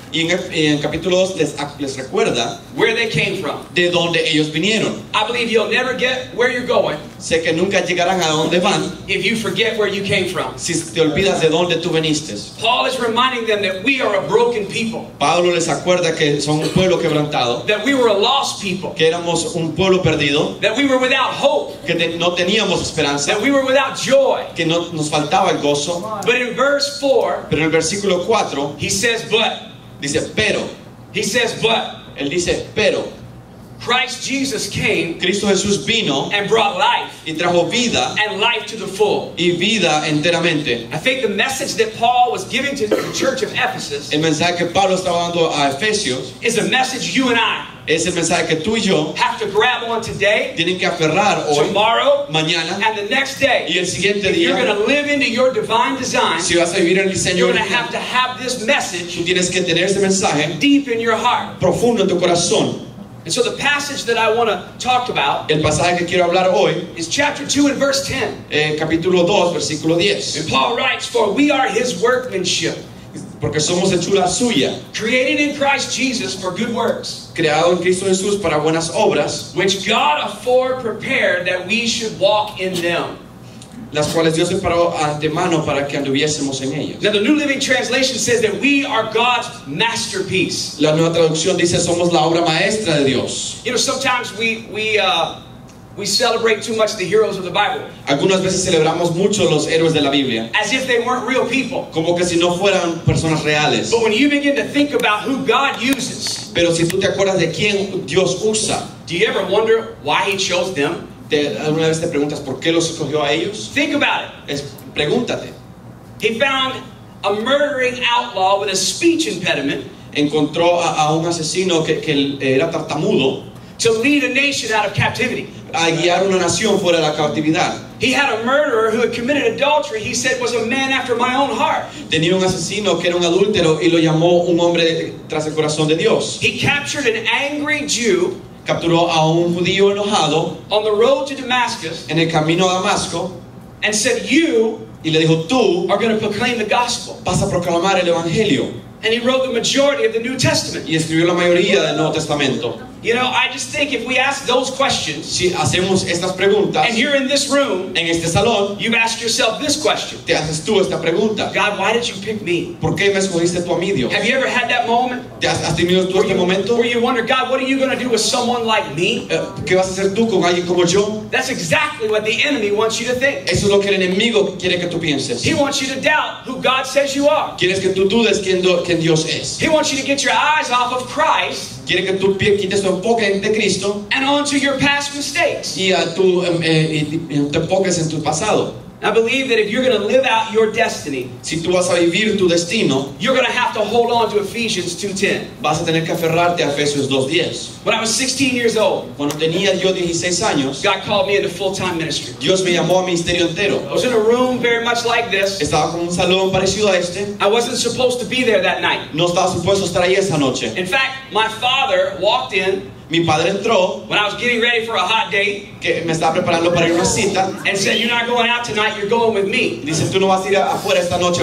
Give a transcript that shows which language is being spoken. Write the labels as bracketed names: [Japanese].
[Spanish] Y en capítulo 2 les recuerda [English] where they came from. [Spanish] De donde ellos vinieron. [English] I believe you'll never get where you're going. [Spanish] Sé que nunca llegarán a donde van. [English] If you forget where you came from. [Spanish] Si te olvidas de donde tú viniste. [English] Paul is reminding them that we are a broken people. [Spanish] Pablo les acuerda que son un pueblo quebrantado. [English] That we were a lost people. [Spanish] Que éramos un pueblo perdido. [English] That we were without hope. [Spanish] Que no teníamos esperanza. [English] That we were without joy. [Spanish] Que no nos faltaba el gozo. [English] But in verse 4. [Spanish] Pero en el versículo 4. [English] He says, but. [Spanish] Dice, pero. [English] He says, but. [Spanish] Él dice, pero. [English] Christ Jesus came. [Spanish] Cristo Jesús vino. [English] And brought life. [Spanish] Y trajo vida. [English] And life to the full. [Spanish] Y vida enteramente. [English] I think the message that Paul was giving to the church of Ephesus. [Spanish] El mensaje que Pablo estaba dando a Efesios. [English] Is a message you and I. [Spanish] Es el mensaje que tú y yo [English] have to grab on today, [Spanish] tienen que aferrar hoy, [English] tomorrow, [Spanish] mañana, [English] and the next day. [Spanish] Y el siguiente día, [English] you're going to live into your divine design. [Spanish] Si vas a vivir en el diseño, [English] you're going to have this message, [Spanish] tú tienes que tener este mensaje, [English] deep in your heart, [Spanish] profundo en tu corazón. [English] And so the passage that I want to talk about, [Spanish] el pasaje que quiero hablar hoy, [English] is chapter 2 and verse 10. [Spanish] Capítulo 2, versículo 10. [English] And Paul writes, for we are his workmanship. [Spanish] Porque somos hechura suya. [English] Created in Christ Jesus for good works. [Spanish] Creado en Cristo Jesús para buenas obras. [English] Which God afore prepared that we should walk in them. [Spanish] Las cuales Dios preparó antemano para que anduviésemos en ellas. [English] Now the New Living Translation says that we are God's masterpiece. [Spanish] La nueva traducción dice somos la obra maestra de Dios. [English] You know, sometimes we celebrate too much the heroes of the Bible. [Spanish] Algunas veces celebramos mucho los héroes de la Biblia. [English] As if they weren't real people. [Spanish] Como que si no fueran personas reales. [English] But when you begin to think about who God uses. [Spanish] Pero si tú te acuerdas de quién Dios usa. [English] Do you ever wonder why he chose them? [Spanish] ¿Alguna vez te preguntas por qué los escogió a ellos? [English] Think about it. [Spanish] Pregúntate. [English] He found a murdering outlaw with a speech impediment. [Spanish] Encontró a un asesino que era tartamudo. [English] To lead a nation out of captivity. [Spanish] A guiar una nación fuera de la cautividad. [English] He had a murderer who had committed adultery. He said was a man after my own heart. [Spanish] Tenía un asesino que era un adúltero y lo llamó un hombre tras el corazón de Dios. [English] He captured an angry Jew. [Spanish] Capturó a un judío enojado. [English] On the road to Damascus. [Spanish] En el camino a Damasco. [English] And said, you. [Spanish] Y le dijo, tú. [English] Are going to proclaim the gospel. [Spanish] Vas a proclamar el evangelio. [English] And he wrote the majority of the New Testament. [Spanish] Y escribió la mayoría del Nuevo Testamento. [English] You know, I just think if we ask those questions, [Spanish] si hacemos estas preguntas, [English] and you're in this room, [Spanish] en este salón, [English] you've asked yourself this question. [Spanish] Te haces tú esta pregunta. [English] God, why did you pick me? [Spanish] ¿Por qué me escogiste tú a mí, Dios? [English] Have you ever had that moment? [Spanish] ¿Te has tenido tú este momento? [English] Where you wonder, God, what are you going to do with someone like me? [Spanish] ¿Qué vas a hacer tú con alguien como yo? [English] That's exactly what the enemy wants you to think. [Spanish] Eso es lo que el enemigo quiere que tú pienses. [English] He wants you to doubt who God says you are. [Spanish] ¿Quieres que tú dudes quién Dios es? [English] He wants you to get your eyes off of Christ. [Spanish] Quiere que tú quites tu enfoque de Cristo [English] and onto your past mistakes. [Spanish] Y a tu, te enfoques en tu pasado. [English] I believe that if you're going to live out your destiny, [Spanish] si tú vas a vivir tu destino, [English] you're going to have to hold on to Ephesians 2:10. [Spanish] Vas a tener que aferrarte a Efesios 2:10. [English] When I was 16 years old, [Spanish] cuando tenía yo 16 años, [English] God called me into full-time ministry. [Spanish] Dios me llamó a ministerio entero. [English] I was in a room very much like this. [Spanish] Estaba con un salón parecido a este. [English] I wasn't supposed to be there that night. [Spanish] No estaba supuesto estar ahí esa noche. [English] In fact, my father walked in. [Spanish] Mi padre entró, [English] when I was getting ready for a hot date, [Spanish] que me estaba preparando para ir a una cita, [English] and said, "You're not going out tonight. You're going with me." [Spanish] Dice, tú no vas a ir afuera esta noche.